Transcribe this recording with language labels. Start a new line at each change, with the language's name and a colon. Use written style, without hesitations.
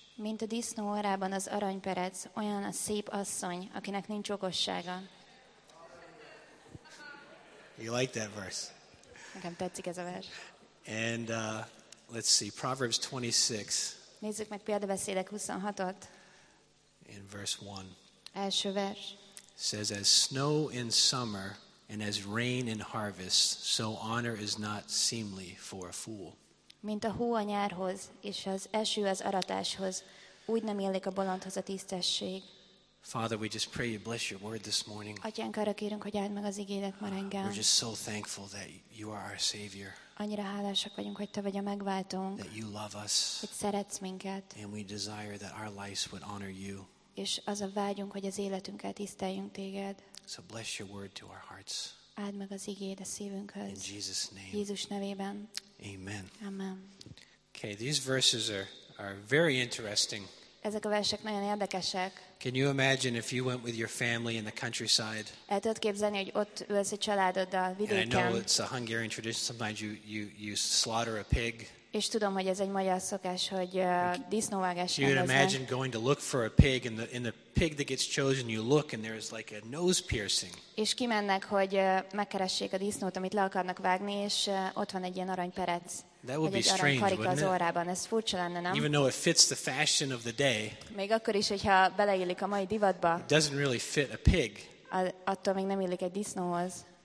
Hungarian: Mint a disznó orrában az aranyperec, olyan a szép asszony, akinek nincs okossága.
English: You like that verse?
Hungarian: Nekem tetszik ez a vers.
English: And let's see, Proverbs 26.
Hungarian: Nézzük meg Példabeszédek 26-ot.
English: In verse 1.
Hungarian: Első vers.
English: Says, as snow in summer and as rain in harvest, so honor is not seemly for a fool.
Hungarian: Mint a hó a nyárhoz, és az eső az aratáshoz, úgy nem illik a bolondhoz a tisztesség.
English: Father, we just pray you bless your word this morning.
Hungarian: Atyánk, arra kérünk, hogy áld meg az igédet ma reggel.
English: We're just so thankful that you are our savior.
Hungarian: Annyira hálásak vagyunk, hogy te vagy a megváltónk.
English: That you love us.
Hungarian: Hogy szeretsz minket.
English: And we desire that our lives would honor you.
Hungarian: És az a vágyunk, hogy az életünket tiszteljünk téged.
English: So bless your word to our hearts.
Hungarian: Áld meg az igéd a szívünkhöz.
English: In Jesus name.
Hungarian: Jézus nevében.
English: Amen.
Hungarian: Amen.
English: Okay, these verses are very interesting.
Hungarian: Ezek a versek nagyon érdekesek.
English: Can you imagine if you went with your family in the countryside?
Hungarian: El tudod képzelni, hogy ott ülsz a családoddal vidéken.
English: And I know it's a Hungarian tradition. Sometimes you slaughter a pig.
Hungarian: És tudom, hogy ez egy magyar szokás, hogy disznóvágás.
English: You can imagine going to look for a pig, and the pig that gets chosen, you look, and there's like a nose piercing.
Hungarian: És kimennek, hogy megkeressék a disznót, amit le akarnak vágni, és ott van egy ilyen aranyperec.
English: That would be strange, wouldn't it?
Hungarian: Az orrában. Ez furcsa lenne, nem?
English: Even though it fits the fashion of the day.
Hungarian: Még akkor is, hogyha beleillik a mai divatba.
English: It doesn't really fit a pig.
Hungarian: Attól még nem illik egy disznóhoz.